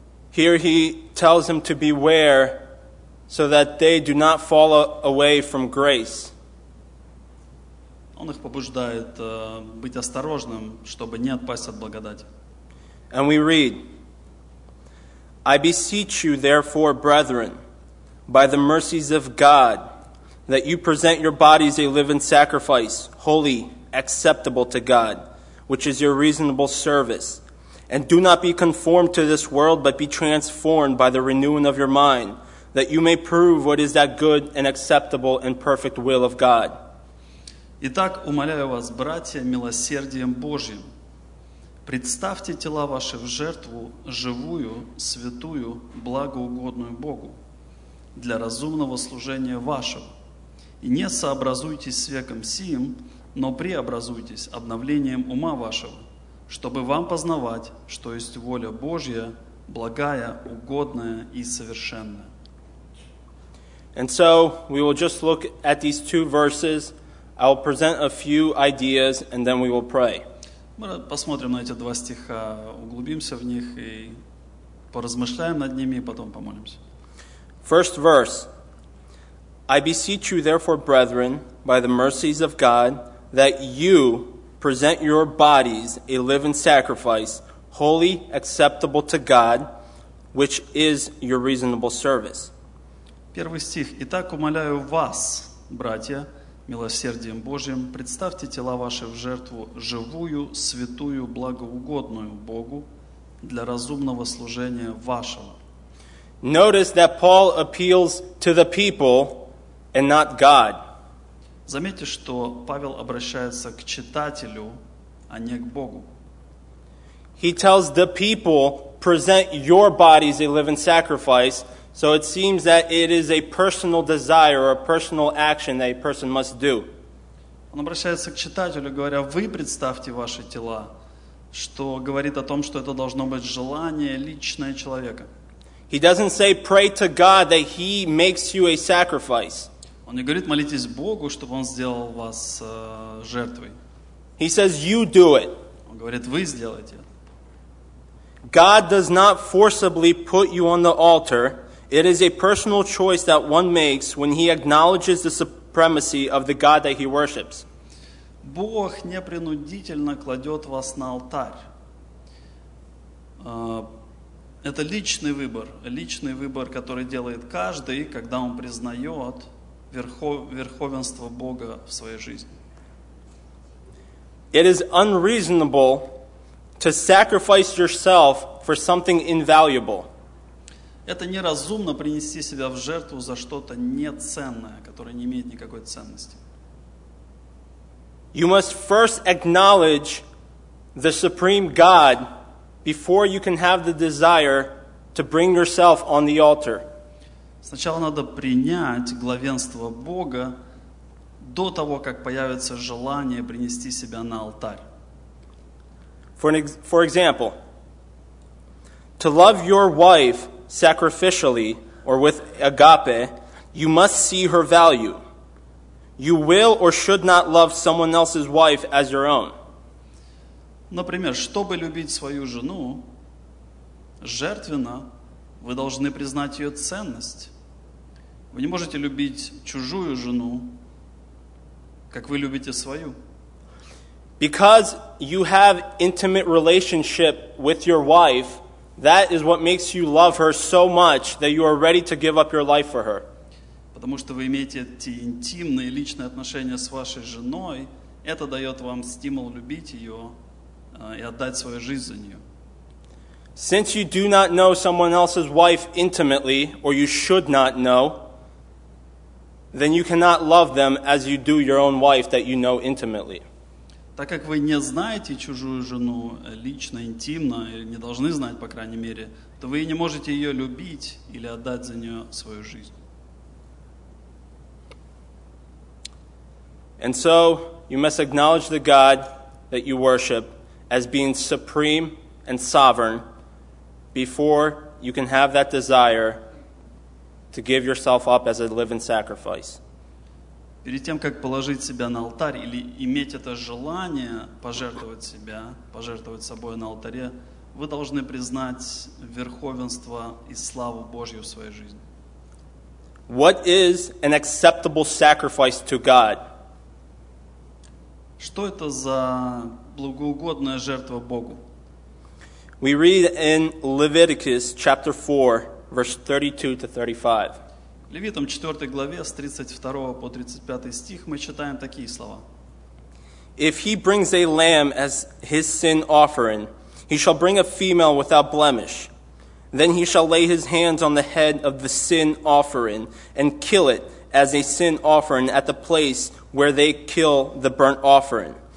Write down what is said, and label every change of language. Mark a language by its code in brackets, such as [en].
[en] Here he tells them to beware so that they do not fall away from grace. [ru] Он их побуждает быть осторожным, чтобы не отпасть от благодати. [en] And we read, I beseech you, therefore, brethren, by the mercies of God, that you present your bodies a living sacrifice, holy, acceptable to God, which is your reasonable service. And do not be conformed to this world, but be transformed by the renewing of your mind, that you may prove what is that good and acceptable and perfect will of God. [ru] Итак, умоляю вас, братья, милосердием Божьим, представьте тела ваши в жертву живую, святую, благоугодную Богу для разумного служения вашего. И не сообразуйтесь с веком сиим, но преобразуйтесь обновлением ума вашего, чтобы вам познавать, что есть воля Божья, благая, угодная и совершенная. [en] And so, we will just look at these two verses. I will present a few ideas, and then we will pray. [ru] Мы посмотрим на эти два стиха, углубимся в них и поразмышляем над ними, и потом помолимся. [en] First verse. I beseech you, therefore, brethren, by the mercies of God, that you present your bodies a living sacrifice, holy, acceptable to God, which is your reasonable service. [ru] Первый стих. Итак, умоляю вас, братья, милосердием Божьим, представьте тела ваши в жертву живую, святую, благоугодную Богу для разумного служения вашего. [en] Notice that Paul appeals to the people and not God. [ru] Заметьте, что Павел обращается к читателю, а не к Богу. [en] He tells the people, present your bodies a living sacrifice. So it seems that it is a personal desire or a personal action that a person must do. [ru] Он обращается к читателю, говоря, вы представьте ваши тела, что говорит о том, что это должно быть желание личное человека. [en] He doesn't say, pray to God that he makes you a sacrifice. [ru] Он не говорит, молитесь Богу, чтобы он сделал вас жертвой. [en] He says, you do it. [ru] Он говорит, вы сделайте это. [en] God does not forcibly put you on the altar. It is a personal choice that one makes when he acknowledges the supremacy of the God that he worships. [ru] Бог непринудительно кладет вас на алтарь. Это личный выбор, который делает каждый, когда он признает верховенство Бога в своей жизни. [en] It is unreasonable to sacrifice yourself for something invaluable. [ru] Это неразумно принести себя в жертву за что-то неценное, которое не имеет никакой ценности. [en] You must first acknowledge the supreme God before you can have the desire to bring yourself on the altar. [ru] Сначала надо принять главенство Бога до того, как появится желание принести себя на алтарь. [en] For example, to love your wife sacrificially or with agape, you must see her value. You will or should not love someone else's wife as your own. [ru] Например, чтобы любить свою жену жертвенно, вы должны признать ее ценность. Вы не можете любить чужую жену, как вы любите свою. [en] Because you have intimate relationship with your wife, that is what makes you love her so much that you are ready to give up your life for her. [ru] Потому что вы имеете эти интимные личные отношения с вашей женой, это дает вам стимул любить ее и отдать свою жизнь за нее. [en] Since you do not know someone else's wife intimately, or you should not know, then you cannot love them as you do your own wife that you know intimately. [ru] Так как вы не знаете чужую жену лично, интимно, или не должны знать, по крайней мере, то вы не можете ее любить или отдать за нее свою жизнь. [en] And so you must acknowledge the God that you worship as being supreme and sovereign before you can have that desire to give yourself up as a living sacrifice. [ru] Перед тем, как положить себя на алтарь или иметь это желание пожертвовать себя, пожертвовать собой на алтаре, вы должны признать верховенство и славу Божью в своей жизни. [en] What is an acceptable sacrifice to God? [ru] Что это за благоугодная жертва Богу? [en] We read in Leviticus chapter 4, verse 32 to 35. [ru] В Левитам 4 главе с 32 по 35 стих мы читаем такие слова. [en] If he brings a lamb as his sin offering, he shall bring a female without blemish. Then he shall lay his hands on the head of the sin offering and kill it as a sin offering at the place where they kill the burnt offering.